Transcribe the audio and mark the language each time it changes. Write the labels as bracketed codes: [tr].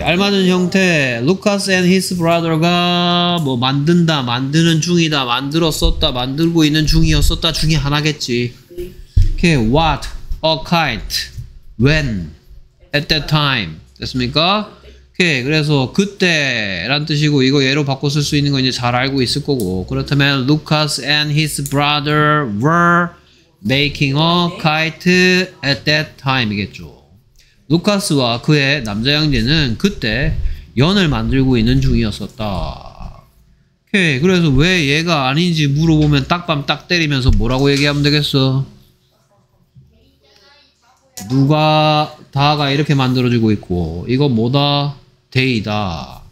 [ko] 알맞은 형태. [en] Lucas and his brother [ko] 가 뭐 만든다, 만드는 중이다, 만들었었다, 만들고 있는 중이었었다 중에 하나겠지. 오케이. [en] What, a kite, when, at that time. [ko] 됐습니까? 오케이. 그래서 그때란 뜻이고 이거 예로 바꿔 쓸 수 있는 거 이제 잘 알고 있을 거고. [en] 그렇다면 Lucas and his brother were making a kite at that time [ko] 이겠죠. 루카스와 그의 남자 형제는 그때 연을 만들고 있는 중이었었다. 오케이. 그래서 왜 얘가 아닌지 물어보면 딱밤 딱 때리면서 뭐라고 얘기하면 되겠어? 누가 다가 이렇게 만들어지고 있고 이거 뭐다? 데이다.